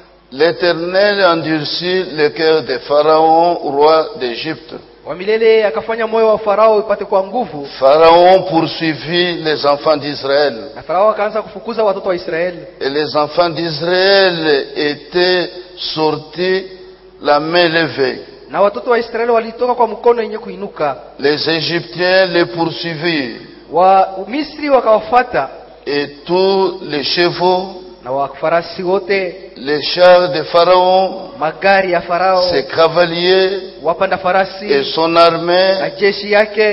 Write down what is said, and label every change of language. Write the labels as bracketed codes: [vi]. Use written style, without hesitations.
[fr] L'Éternel endurcit le cœur de Pharaon, roi d'Égypte. [sw] Wamilele akafanya moyo wa Farao upate kwa nguvu. [fr] Pharaon poursuivit les enfants d'Israël. [sw] Na Farao akaanza kufukuza watoto wa Israël. [fr] Et les enfants d'Israël étaient sortis la main levée. [sw] Na watoto wa Israel walitoka kwa mkono yenye kuinuka. [fr] Les Égyptiens les poursuivirent. [sw] Wa Misri wakawafuata. [fr] Et tous les chevaux. [sw] Na wafarasi wote. [fr] Les chars de Pharaon. [sw] Magari ya Farao. [fr] Ses cavaliers. [sw] Wapanda farasi. [fr] Et son armée. [sw] Na jeshi yake.